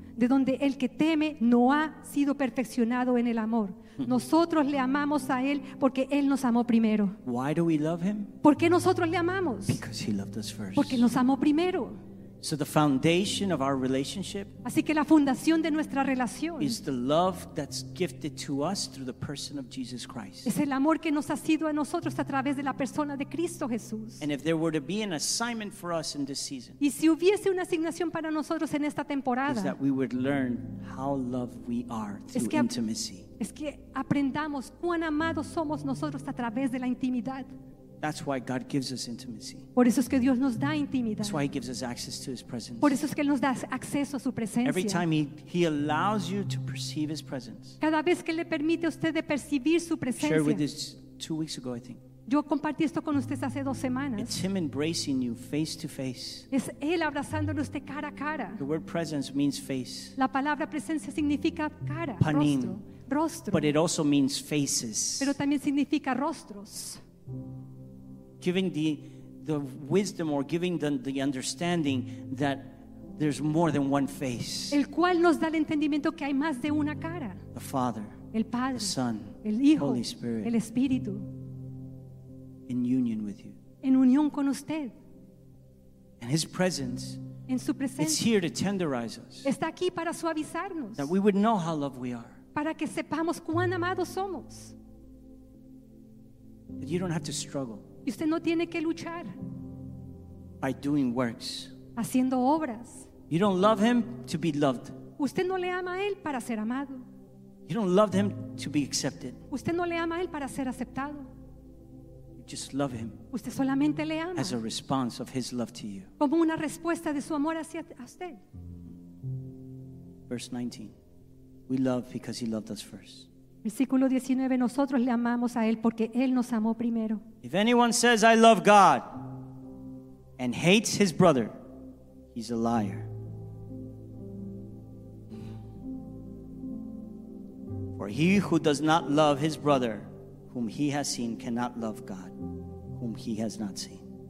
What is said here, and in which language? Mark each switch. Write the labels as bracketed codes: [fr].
[es] De donde el que teme no ha sido perfeccionado en el amor. Nosotros le amamos a él porque él nos amó primero. [en] Why do we love him? [es] ¿Por qué nosotros le amamos? [en] Because he loved us first. [es] Porque nos amó primero. [en] So the foundation of our relationship. [es] Así que la fundación de nuestra relación. [en] Is the love that's gifted to us through the person of Jesus Christ. [es] Es el amor que nos ha sido a nosotros a través de la persona de Cristo Jesús. [en] And if there were to be an assignment for us in this season. [es] Y si hubiese una asignación para nosotros en esta temporada. [en] Is that we would learn how loved we are through intimacy. [es] Es que aprendamos cuán amados somos nosotros a través de la intimidad. [en] That's why God gives us intimacy. [es] Por eso es que Dios nos da intimidad. [en] That's why he gives us access to his presence. [es] Por eso es que él nos da acceso a su presencia. [en] Every time he allows you to perceive his presence. [es] Cada vez que le permite a usted de percibir su presencia. [en] Shared with this 2 weeks ago, I think. [es] Yo compartí esto con usted hace 2 semanas. [en] It's him embracing you face to face. [es] Es él abrazándole usted cara a cara. [en] The word presence means face. [es] La palabra presencia significa cara, [he] panim, [es] rostro. [en] But it also means faces. [es] Pero también significa rostros. [en] Giving the wisdom or giving the understanding that there's more than one face. [es] El cual nos da el entendimiento que hay más de una cara. [en] The Father. [es] El Padre. [en] The Son. [es] El Hijo. [en] Holy Spirit. [es] El Espíritu. [en] In union with you. [es] En unión con usted. [en] And his presence. [es] En su presencia. [en] It's here to tenderize us. [es] Está aquí para suavizarnos. [en] That we would know how loved we are. [es] Para que sepamos cuán amados somos. [en] That you don't have to struggle. [es] Y usted no tiene que luchar. [en] By doing works. [es] Haciendo obras. [en] You don't love him to be loved. [es] Usted no le ama a él para ser amado. [en] You don't love him to be accepted. [es] Usted no le ama a él para ser aceptado. [en] You just love him. [es] Usted solamente le ama. [en] As a response of his love to you. [es] Como una respuesta de su amor hacia usted. [en] Verse 19. We love because he loved us first. [es] Versículo 19, nosotros le amamos a él porque él nos amó primero. [en] If anyone says I love God and hates his brother, he's a liar. For he who does not love his brother whom he has seen cannot love God whom he has not seen.